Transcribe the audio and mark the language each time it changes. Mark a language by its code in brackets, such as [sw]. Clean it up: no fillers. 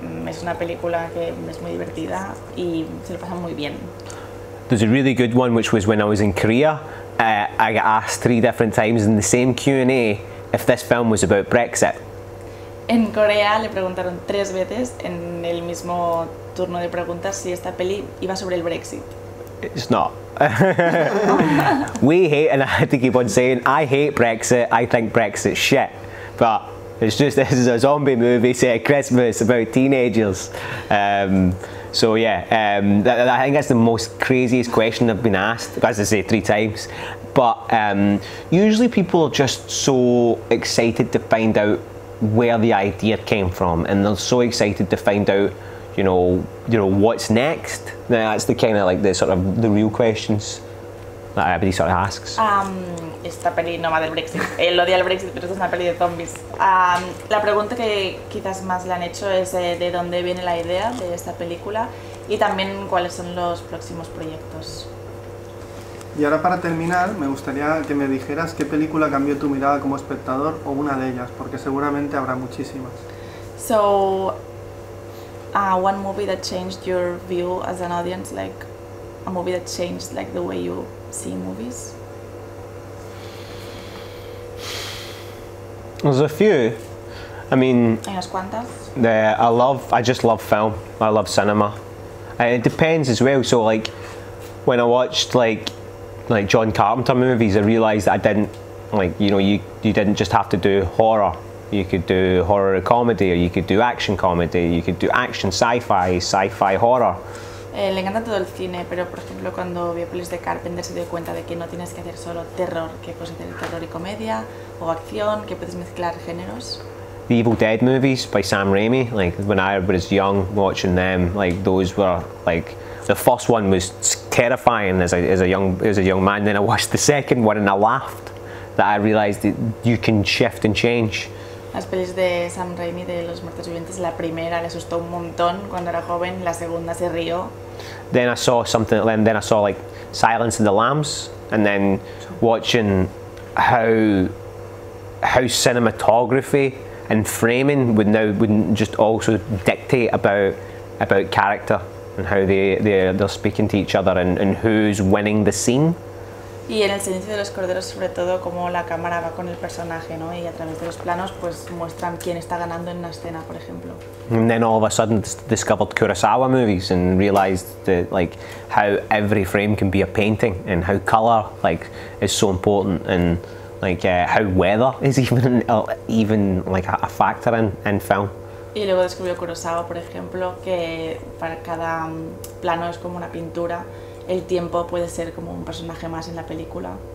[es] Es una película que es muy divertida y se lo pasa muy bien. [en] There's a really good one, which was when I was in Korea. I got asked three different times in the same Q&A if this film was about Brexit. [es] En Corea le preguntaron tres veces en el mismo turno de preguntas si esta peli iba sobre el Brexit. [en] It's not. We hate, and I had to keep on saying, I hate Brexit, I think Brexit's shit. But it's just, this is a zombie movie set at Christmas about teenagers. So yeah, I think that's the most craziest question I've been asked, as I say, three times. But usually people are just so excited to find out where the idea came from, and they're so excited to find out, you know, what's next. Now, that's the kind of like the sort of the real questions that everybody sort of asks. [es] Esta peli no va del Brexit. Él odia el Brexit, pero esta es una peli de zombies. La pregunta que quizás más le han hecho es de dónde viene la idea de esta película y también cuáles son los próximos proyectos. Y ahora para terminar, me gustaría que me dijeras qué película cambió tu mirada como espectador o una de ellas, porque seguramente habrá muchísimas. [en] So, one movie that changed your view as an audience, like a movie that changed like the way you see movies. There's a few. I mean, I just love film. I love cinema. And it depends as well. So like, when I watched like John Carpenter movies, I realized that I didn't like, you know, you didn't just have to do horror. You could do horror comedy, or you could do action comedy, you could do action sci-fi, sci-fi horror. [es] Le encanta todo el cine, pero por ejemplo cuando vio pelis de Carpenter se dio cuenta de que no tienes que hacer solo terror, que puedes hacer terror y comedia o acción, que puedes mezclar géneros. [en] The Evil Dead movies by Sam Raimi, like when I was young watching them, like those were like, the first one was terrifying as a young man. Then I watched the second one and I laughed, that I realized that you can shift and change. [es] Las pelis de Sam Raimi de Los Muertos Vivientes, la primera le asustó un montón cuando era joven, la segunda se rió. [en] Then I saw something, then I saw like Silence of the Lambs, and then watching how cinematography and framing would just also dictate about character and how they're speaking to each other and who's winning the scene. [es] Y en El silencio de los corderos, sobre todo, cómo la cámara va con el personaje, ¿no? Y a través de los planos, pues muestran quién está ganando en una escena, por ejemplo. [en] And then all of a sudden discovered Kurosawa movies and realized that, like, how every frame can be a painting and how color, like, is so important and, like, how weather is even like a factor in film. [es] Y luego descubrió Kurosawa, por ejemplo, que para cada plano es como una pintura. El tiempo puede ser como un personaje más en la película.